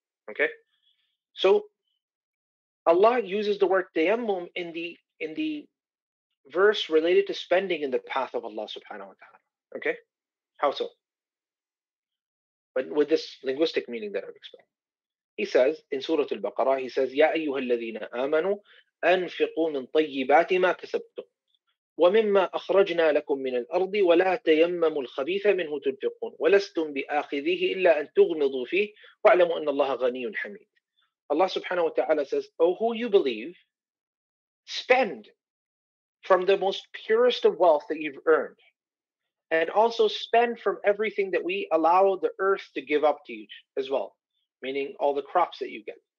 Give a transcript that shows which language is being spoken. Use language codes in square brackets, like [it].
[en] Okay, so Allah uses the word tayammum in the verse related to spending in the path of Allah subhanahu wa ta'ala. Okay, how so? But with this linguistic meaning that I've explained, he says in Surah Al-Baqarah, he says, [ar] "Ya ayyuhalladhina amanu." أنفقوا من طيبات ما كسبتم ومما أخرجنا لكم من الأرض ولا تيمموا الخبيث منه تنفقون ولستم بآخذيه إلا أن تغمضوا فيه واعلموا أن الله غني حميد. [en] Allah subhanahu wa ta'ala says, O who you believe, spend from the most purest of wealth that you've earned, and also spend from everything that we allow the earth to give up to you as well, meaning all the crops that you get.